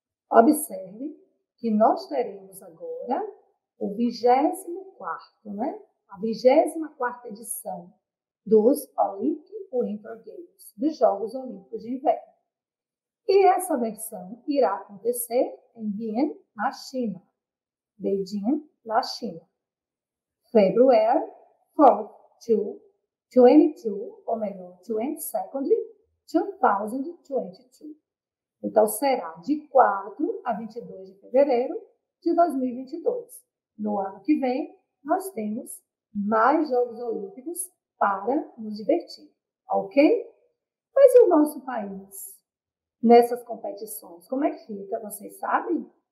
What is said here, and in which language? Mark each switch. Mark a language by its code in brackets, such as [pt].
[pt] Observe que nós teremos agora o 24º, né? A 24ª edição dos [en] Olympic Winter Games, [pt] dos Jogos Olímpicos de Inverno. E essa versão irá acontecer em Beijing, na China. Beijing, na China. [en] February 4th to 22, [pt] ou melhor, [en] 22nd, 2022. [pt] Então, será de 4 a 22 de fevereiro de 2022. No ano que vem, nós temos mais Jogos Olímpicos para nos divertir, ok? Mas e o nosso país nessas competições? Como é que fica? Vocês sabem?